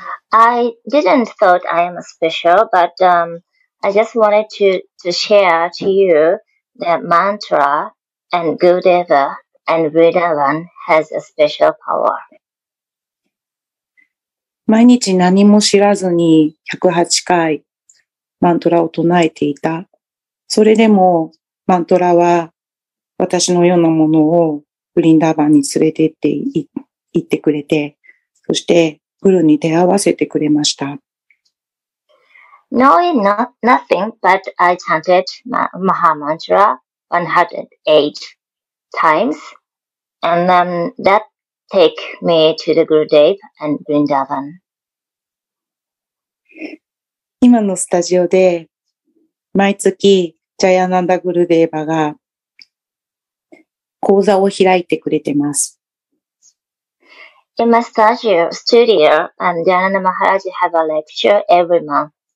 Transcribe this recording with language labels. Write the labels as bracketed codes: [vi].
[en] I didn't thought I am special, but I just wanted to share to you the mantra and Gurudeva and Vrindavan has a special power. [ja] 毎日何も知らずに108回マントラを唱えていた。それでもマントラは私のようなものをブリンダーバンに連れてって行ってくれて、そしてグルに出会わせてくれました。 [en] Knowing not nothing, but I chanted Maha Mantra 108 times, and then that take me to the Gurudev and Vrindavan. [ja] 今のスタジオで毎月ジャヤナンダ・グルデーバが講座を開いてくれてます。 [en] In my studio, and Jayananda Maharaj have a lecture every month.